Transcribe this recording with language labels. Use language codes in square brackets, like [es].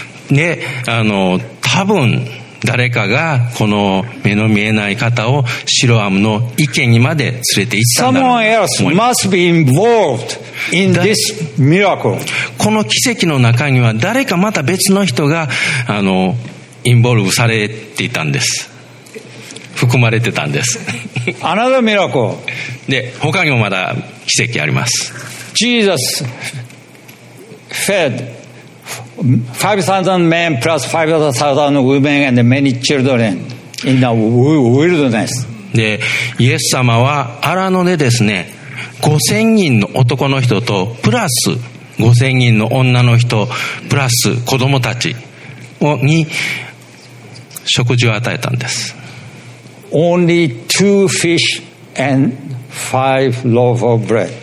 [ja] で、多分誰かがこの目の見えない方をシロアムの池にまで連れて行ったんだろう。 [en] Someone else must be involved in this miracle. [ja] この奇跡の中には誰かまた別の人がインボルブされていたんです。含まれてたんです。 [en] Another miracle. [ja] で、他にもまだ奇跡あります。 [en] Jesus fed 5,000 men plus 5,000 women and many children in the wilderness. [ja] で、イエス様は荒野でですね、5,000 人の男の人とプラス5,000 人の女の人プラス子供たちに食事を与えたんです。 [en] Only two fish and five loaves of bread.